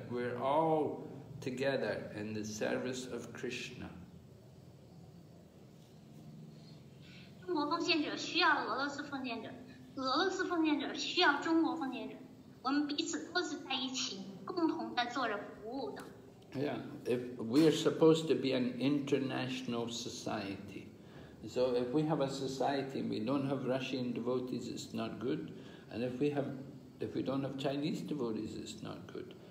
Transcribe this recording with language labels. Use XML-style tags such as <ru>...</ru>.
<en>We're all together in the service of Krishna.</en> <zh>中国奉献者需要俄罗斯奉献者，俄罗斯奉献者需要中国奉献者，我们彼此都是在一起，共同在做着服务的。Yeah,</zh> <en>if we are supposed to be an international society, so if we have a society and we don't have Russian devotees, it's not good. And if we don't have Chinese devotees, it's not good.</en>